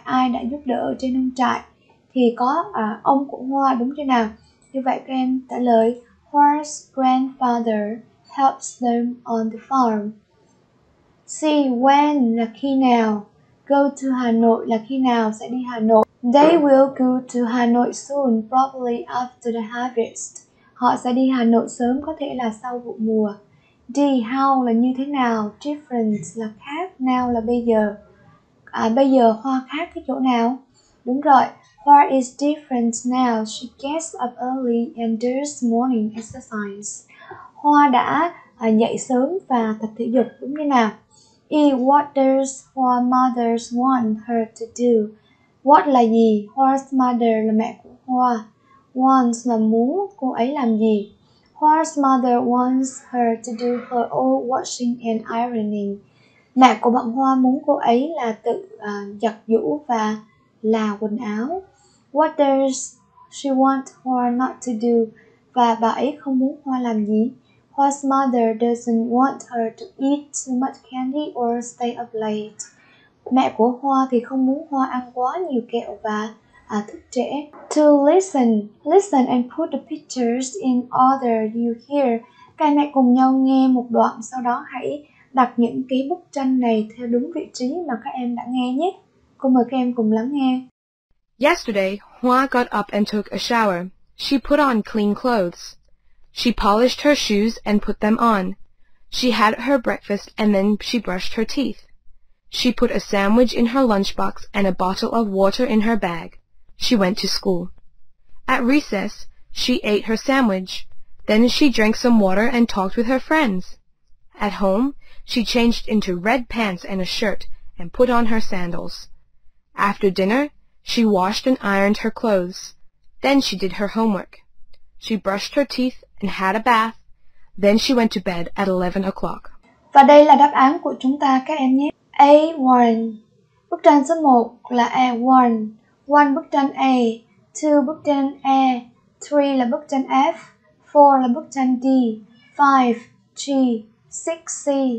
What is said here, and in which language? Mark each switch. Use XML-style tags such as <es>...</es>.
<vi>Ai đã giúp đỡ trên nông trại? Thì có ông của Hoa đúng chưa nào? Như vậy các em trả lời</vi> <en>Hoa's grandfather helps them on the farm. See when</en> <vi>là khi nào.</vi> <en>Go to Hà Nội</en> <vi>là khi nào sẽ đi Hà Nội.</vi> <en>They will go to Hà Nội soon, probably after the harvest.</en> <vi>Họ sẽ đi Hà Nội sớm, có thể là sau vụ mùa. D. How là như thế nào. Different là khác. Now là bây giờ. Bây giờ Hoa khác cái chỗ nào? Đúng rồi.</vi> <en>Hoa is different now. She gets up early and does morning exercise.</en> <vi>Hoa đã dậy sớm và tập thể dục đúng như nào?</vi> <en>E. What does Hoa mothers want her to do?</en> <vi>What là gì?</vi> <en>Hoa's mother</en> <vi>là mẹ của Hoa. Wants là muốn cô ấy làm gì?</vi> <en>Hoa's mother wants her to do her old washing and ironing.</en> <vi>Mẹ của bạn Hoa muốn cô ấy là tự giặt giũ và là quần áo.</vi> <en>What does she want Hoa not to do?</en> <vi>Và bà ấy không muốn Hoa làm gì?</vi> <en>Hoa's mother doesn't want her to eat too much candy or stay up late.</en> <vi>Mẹ của Hoa thì không muốn Hoa ăn quá nhiều kẹo và thức trễ.</vi> <en>To listen. Listen and put the pictures in order you hear.</en> <vi>Các mẹ cùng nhau nghe một đoạn, sau đó hãy đặt những cái bức tranh này theo đúng vị trí mà các em đã nghe nhé. Cô mời các em cùng lắng nghe.</vi> <en>Yesterday, Hoa got up and took a shower. She put on clean clothes. She polished her shoes and put them on. She had her breakfast and then she brushed her teeth. She put a sandwich in her lunchbox and a bottle of water in her bag. She went to school. At recess, she ate her sandwich. Then she drank some water and talked with her friends. At home, she changed into red pants and a shirt and put on her sandals. After dinner, she washed and ironed her clothes. Then she did her homework. She brushed her teeth and had a bath. Then she went to bed at 11 o'clock.</en> <vi>Và đây là đáp án của chúng ta các em nhé. A. One. Bức tranh số 1 là A. One. One bức tranh A. Two bức tranh A. Three là bức tranh F. Four là bức tranh D. Five G. Six C.</vi>